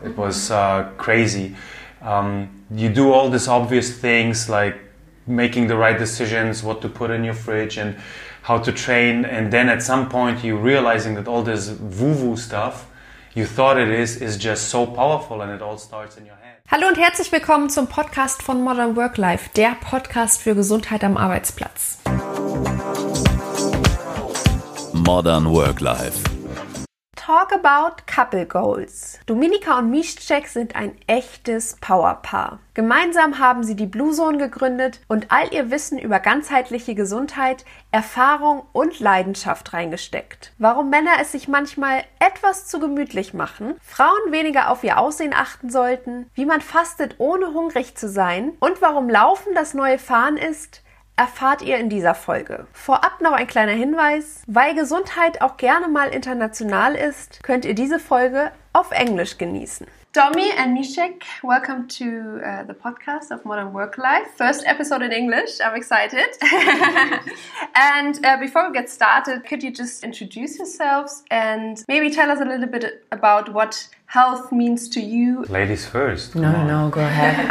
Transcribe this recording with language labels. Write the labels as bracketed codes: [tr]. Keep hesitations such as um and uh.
[en] It was uh, crazy. Um, you do all these obvious things like making the right decisions, what to put in your fridge, and how to train. And then at some point, you realizing that all this woo woo stuff you thought it is is just so powerful, and it all starts in your head. [de] Hallo und herzlich willkommen zum Podcast von Modern Work Life, der Podcast für Gesundheit am Arbeitsplatz. [en] Modern Work Life. Talk about Couple Goals. [de] Dominika und Miszek sind ein echtes Powerpaar. Gemeinsam haben sie die Blue Zone gegründet und all ihr Wissen über ganzheitliche Gesundheit, Erfahrung und Leidenschaft reingesteckt. Warum Männer es sich manchmal etwas zu gemütlich machen, Frauen weniger auf ihr Aussehen achten sollten, wie man fastet ohne hungrig zu sein und warum Laufen das neue Fahren ist, erfahrt ihr in dieser Folge. Vorab noch ein kleiner Hinweis, weil Gesundheit auch gerne mal international ist, könnt ihr diese Folge auf Englisch genießen. [en] Domi and Nishek, welcome to uh, the podcast of Modern Work Life. First episode in English. I'm excited. and uh, before we get started, could you just introduce yourselves and maybe tell us a little bit about what health means to you? Ladies first. No, come on. no, go ahead.